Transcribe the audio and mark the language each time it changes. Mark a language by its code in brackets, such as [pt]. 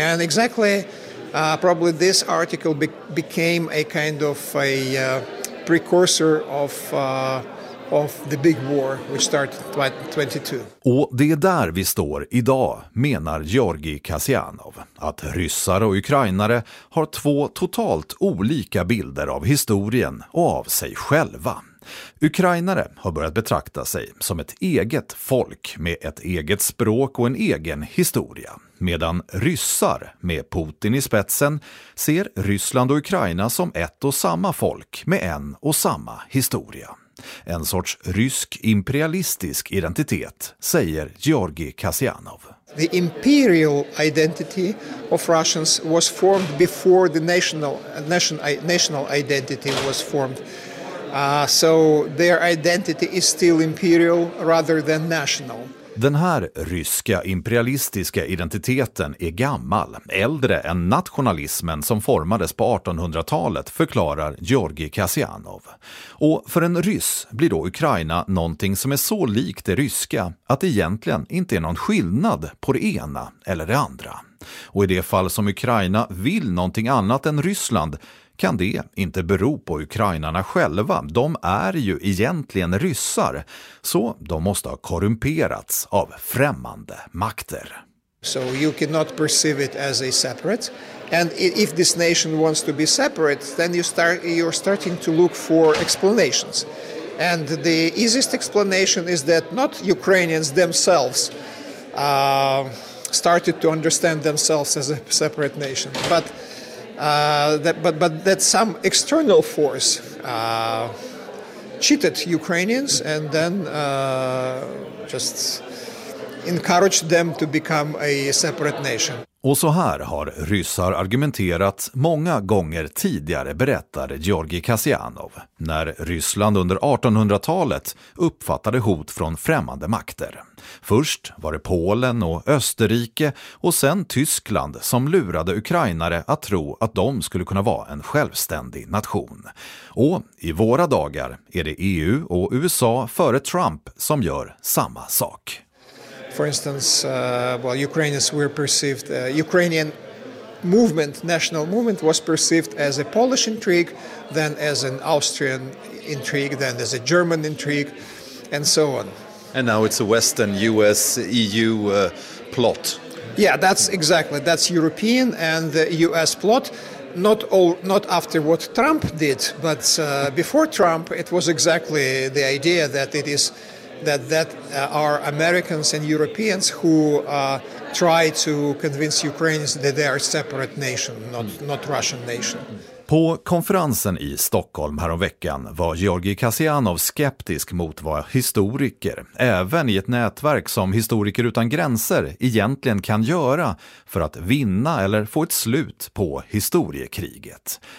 [en] And exactly, probably this article became a kind of a precursor of the big war which started 22. [sv] Och det är där vi står idag, menar Georgi Kasianov, att ryssar och ukrainare har två totalt olika bilder av historien och av sig själva. Ukrainare har börjat betrakta sig som ett eget folk med ett eget språk och en egen historia, medan ryssar med Putin i spetsen ser Ryssland och Ukraina som ett och samma folk med en och samma historia. En sorts rysk imperialistisk identitet, säger Georgi Kasianov. [en] The imperial identity of Russians was formed before the national identity was formed. So their identity is still imperial rather than national. [sv] Den här ryska imperialistiska identiteten är gammal, äldre än nationalismen som formades på 1800-talet, förklarar Georgi Kasianov. Och för en ryss blir då Ukraina någonting som är så likt det ryska att det egentligen inte är någon skillnad på det ena eller det andra. Och i det fall som Ukraina vill någonting annat än Ryssland kan det inte bero på ukrainarna själva. De är ju egentligen ryssar, så de måste ha korrumperats av främmande makter. [en] So you cannot perceive it as a separate, and if this nation wants to be separate, then you're starting to look for explanations. And the easiest explanation is that not Ukrainians themselves started to understand themselves as a separate nation, but that some external force cheated Ukrainians and then just encouraged them to become a separate nation. [sv] Och så här har ryssar argumenterat många gånger tidigare, berättar Georgi Kasianov, när Ryssland under 1800-talet uppfattade hot från främmande makter. Först var det Polen och Österrike och sen Tyskland som lurade ukrainare att tro att de skulle kunna vara en självständig nation. Och i våra dagar är det EU och USA före Trump som gör samma sak. [en] For instance, Ukrainians were perceived, Ukrainian movement, national movement was perceived as a Polish intrigue, then as an Austrian intrigue, then as a German intrigue, and so on. And now it's a Western US EU plot. Yeah, that's exactly, that's European and the US plot. Not after what Trump did, but before Trump, it was exactly the idea that it is that are Americans and Europeans who try to convince Ukrainians that they are a separate nation, not Russian nation. [sv] På konferensen i Stockholm härom veckan var Georgi Kasianov skeptisk mot vad historiker, även i ett nätverk som Historiker utan gränser, egentligen kan göra för att vinna eller få ett slut på historiekriget.